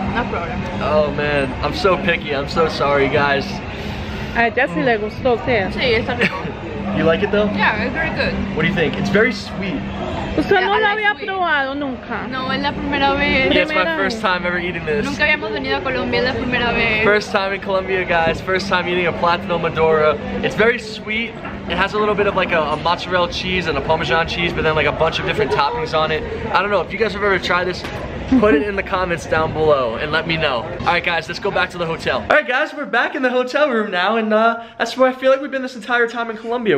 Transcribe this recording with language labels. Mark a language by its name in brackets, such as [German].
[English] No problem. Oh man, I'm so picky. I'm so sorry, guys. I definitely like it. [Spanish] Sí, está. [English] You like it though? Yeah, it's very good. What do you think? It's very sweet. [Spanish] Usted no lo había probado nunca. No, es la primera vez. [English] Yeah, it's my first time ever eating this. [Spanish] Nunca habíamos venido a Colombia, es la primera vez. [English] First time in Colombia, guys. First time eating a Platano Maduro. It's very sweet. It has a little bit of like a mozzarella cheese and a Parmesan cheese, but then like a bunch of different toppings on it. I don't know if you guys have ever tried this. Put it in the comments down below and let me know. Alright guys, let's go back to the hotel. Alright guys, we're back in the hotel room now, and that's where I feel like we've been this entire time in Colombia.